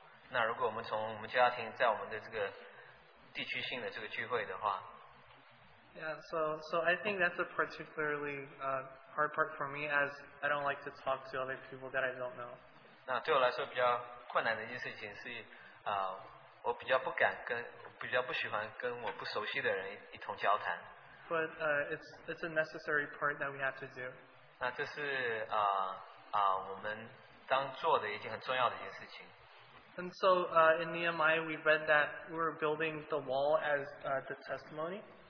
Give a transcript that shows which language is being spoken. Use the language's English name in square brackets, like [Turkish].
[Chinese] 那如果我们从我们家庭在我们的这个地区性的这个聚会的话, [English] yeah, so I think that's a particularly hard part for me, as I don't like to talk to other people that I don't know. [Chinese] 那对我来说比较困难的一件事情是, 我比较不敢跟我不熟悉的人一同交谈。 [English] But it's a necessary part that we have to do. [Chinese] 那这是, 我们当做的一件很重要的一件事情。 [English] And so in Nehemiah, we read that we're building the wall as the testimony.